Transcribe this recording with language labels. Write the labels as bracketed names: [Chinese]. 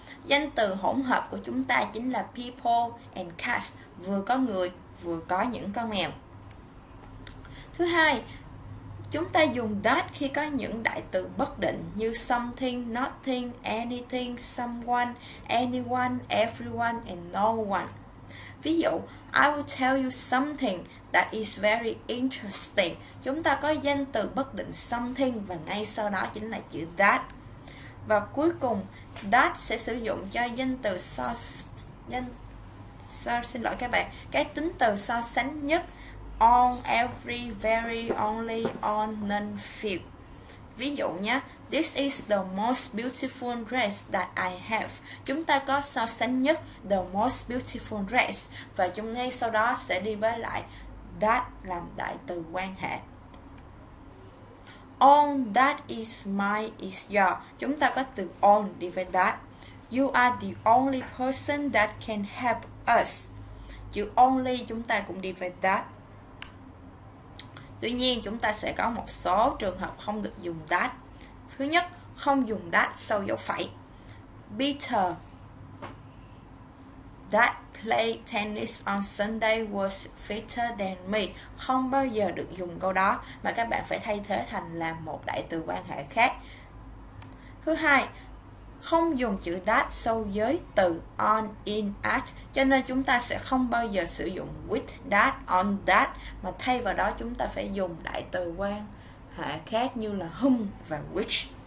[Vietnamese] Danh từ hỗn hợp của chúng ta chính là [English] people and cats, [Vietnamese] vừa có người vừa có những con mèo. Thứ hai, chúng ta dùng that khi có những đại từ bất định như something, nothing, anything, someone, anyone, everyone and no one. Ví dụ, [English] I will tell you something that is very interesting. [Vietnamese] Chúng ta có danh từ bất định something và ngay sau đó chính là chữ that. Và cuối cùng, that sẽ sử dụng cho danh từ so danh so, xin lỗi các bạn, cái tính từ so sánh nhất on, every, very, only, on, none, few. Ví dụ nhé, [English] this is the most beautiful dress that I have. [Vietnamese] Chúng ta có so sánh nhất [English] the most beautiful dress [Vietnamese] và chúng ngay sau đó sẽ đi với lại that làm đại từ quan hệ. [English] All that is mine is yours. [Vietnamese] Chúng ta có từ all đi với that. [English] You are the only person that can help us. [Vietnamese] Chữ only chúng ta cũng đi với that. Tuy nhiên, chúng ta sẽ có một số trường hợp không được dùng that. Thứ nhất, không dùng that sau dấu phẩy. [English] Peter that played tennis on Sunday was fitter than me. [Vietnamese] Không bao giờ được dùng câu đó mà các bạn phải thay thế thành là một đại từ quan hệ khác. Thứ hai, không dùng chữ that sau giới từ on, in, at, cho nên chúng ta sẽ không bao giờ sử dụng with that, on that mà thay vào đó chúng ta phải dùng đại từ quan hệ khác như là whom và which.